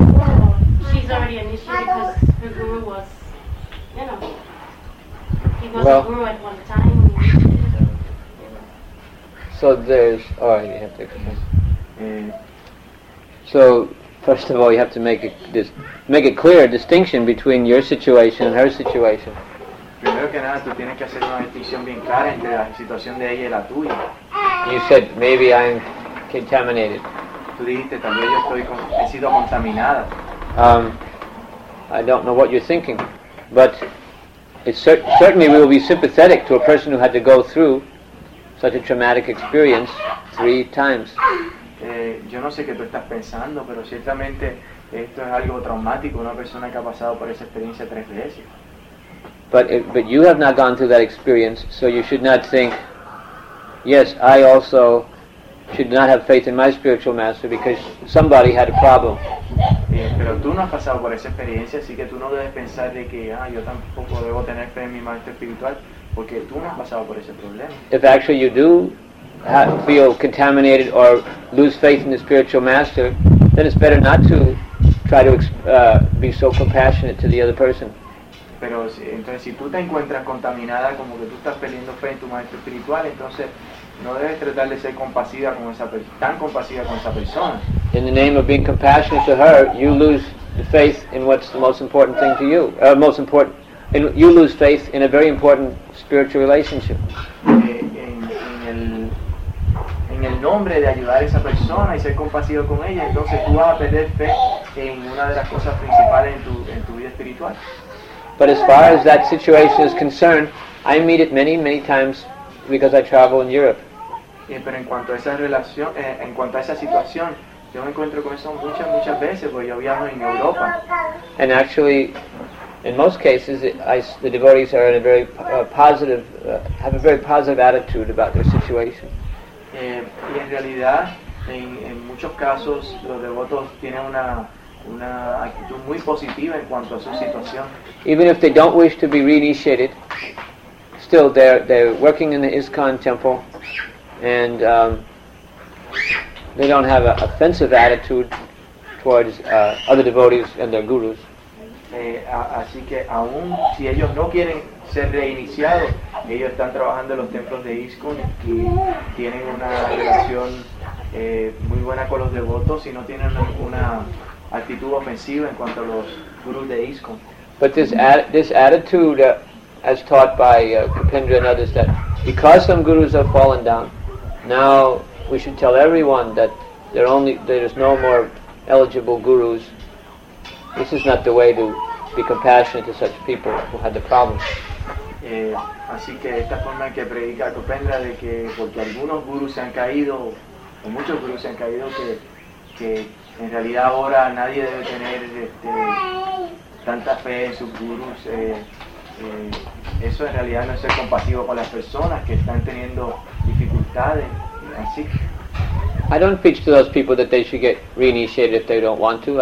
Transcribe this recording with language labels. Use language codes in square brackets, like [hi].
[en] She's already initiated because her guru was, he was a guru at one time. So first of all, you have to make a clear distinction between your situation and her situation. [es] Primero que nada, tú tienes que hacer una distinción bien clara entre la situación de ella y la tuya. [en] You said maybe I'm contaminated. [es] Tú dijiste tal vez yo estoy he sido contaminada. [en] I don't know what you're thinking, but certainly we will be sympathetic to a person who had to go through such a traumatic experience three times. [es] Yo no sé qué tú estás pensando, pero ciertamente esto es algo traumático, una persona que ha pasado por esa experiencia tres veces. [en] But you have not gone through that experience, so you should not think, yes, I also should not have faith in my spiritual master because somebody had a problem. [es] Pero tú no has pasado por esa experiencia, así que tú no debes pensar de que yo tampoco debo tener fe en mi maestro espiritual. Porque tú no has pasado por ese problema. [en] If actually you do feel contaminated or lose faith in the spiritual master, then it's better not to try to be so compassionate to the other person. [es] Pero entonces si tú te encuentras contaminada, como que tú estás perdiendo fe en tu maestro espiritual, entonces no debes tratar de ser tan compasiva con esa persona. [en] In the name of being compassionate to her, you lose the faith in what's the most important thing to you, most important. And you lose faith in a very important spiritual relationship. [es] En el nombre de ayudar a esa persona y ser compasivo con ella, entonces tú vas a perder fe en una de las cosas principales en tu vida espiritual. [en] But as far as that situation is concerned, I meet it many, many times because I travel in Europe. [es] Pero en cuanto a esa situación, yo me encuentro con eso muchas, muchas veces porque yo viajo en Europa. [en] And actually, in most cases, the devotees are in a very have a very positive attitude about their situation. [es] Y en realidad, en muchos casos, los devotos tienen una actitud muy positiva en cuanto a su situación. [en] Even if they don't wish to be reinitiated, still they're working in the ISKCON temple, and they don't have an offensive attitude towards other devotees and their gurus. [es] Así que aún si ellos no quieren ser reiniciados, ellos están trabajando en los templos de ISKCON y tienen una relación muy buena con los devotos y no tienen una actitud ofensiva en cuanto a los gurus de ISKCON. [en] But this attitude, as taught by Kapendra and others, that because some gurus have fallen down, now we should tell everyone that there is no more eligible gurus. This is not the way to be compassionate to such people who had the problem. [es] Así que esta forma en que predica Kapendra de que porque algunos gurus se han caído o muchos gurus se han caído que en realidad ahora nadie debe tener tanta fe en sus gurus. Eso en realidad no es ser compasivo con las personas que están teniendo dificultades. Así. [en] I don't preach to those people that they should get reinitiated if they don't want to.